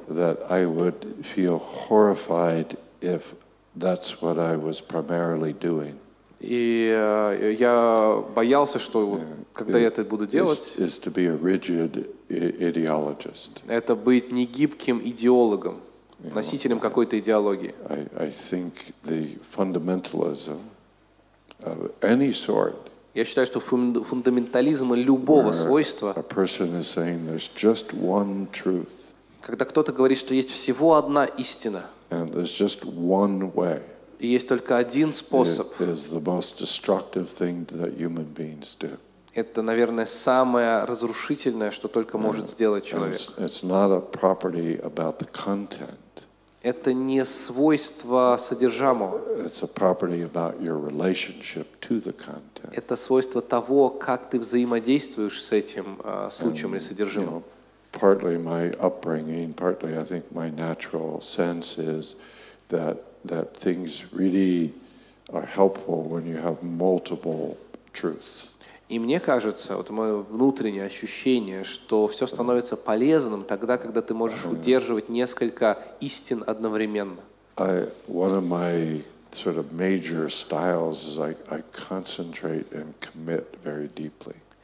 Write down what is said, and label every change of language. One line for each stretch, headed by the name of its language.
English: that I would feel horrified if that's what I was primarily doing.
Russian: И я боялся, что когда я это буду делать,
English: is to be a rigid ideologist.
Russian: Это быть негибким идеологом, носителем какой-то идеологии.
English: I think the fundamentalism of any sort.
Russian: Я считаю, что фундаментализм любого свойства.
English: A person is saying there's just one truth.
Russian: Когда кто-то говорит, что есть всего одна истина.
English: And there's just one way.
Russian: И есть только один способ.
English: Is the most destructive thing that human beings do.
Russian: Это, наверное, самое разрушительное, что только может сделать человек.
English: It's not a property about the content.
Russian: Это не свойство содержимого.
English: It's a property about your relationship to the content.
Russian: Это свойство того, как ты взаимодействуешь с этим случаем или содержимым.
English: Partly my upbringing, partly I think my natural sense is that that things really are helpful when you have multiple truths.
Russian: И мне кажется, вот мое внутреннее ощущение, что все становится полезным тогда, когда ты можешь удерживать несколько истин одновременно.
English: One of my sort of major styles is I concentrate and commit very deeply.